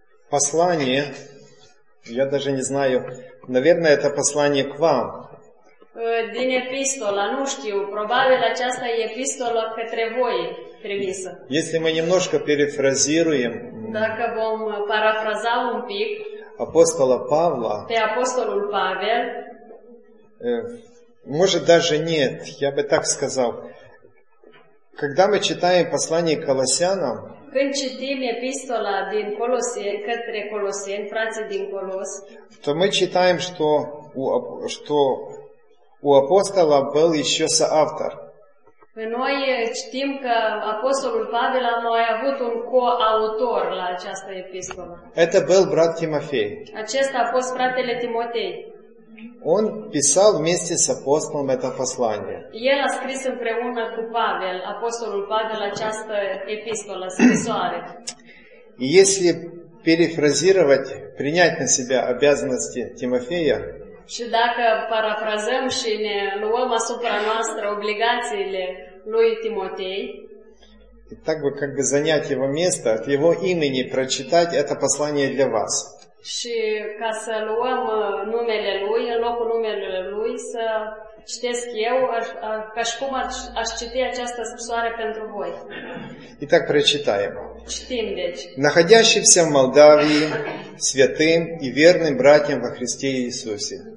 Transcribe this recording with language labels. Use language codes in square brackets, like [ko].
[ru] Послание, я даже не знаю, наверное, это послание к вам. [ro] Din epistola, nu știu, probabil aceasta e epistola către voi trimisă. [ru] Если мы немножко перефразируем, [ro] dacă vom parafraza un pic, [ru] апостола Павла, [ro] pe апостолul Павел, [ru] может даже нет, я бы так сказал, когда мы читаем послание к Колоссянам, [ro] când citim epistola din Colosien, către Colosien, frații din Colos, [ru] то мы читаем, что у апостола был еще соавтор. [ro] Noi citim că apostolul Pavel a mai avut un coautor la această epistolă. [ru] Это был брат Тимофей. [ro] Acesta a fost fratele Timotei. [ru] Он писал вместе с апостолом это послание. [ro] El a scris împreună cu Pavel, apostolul Pavel, această epistolă, scrisoare. [ru] И если перефразировать, принять на себя обязанности Тимофея, [ro] și dacă parafrazăm și ne luăm asupra noastră obligațiile lui Timotei, [ru] И так бы как бы занять его место, от его имени прочитать это послание для вас. [ro] Și ca să luăm numele lui, în locul numelui lui, să citesc eu, ca și cum aș citi această scrisoare pentru voi. [ru] И так прочитаем. [ro] Citim, deci. [ru] Находящимся в Молдавии святым и верным братьям во Христе Иисусе.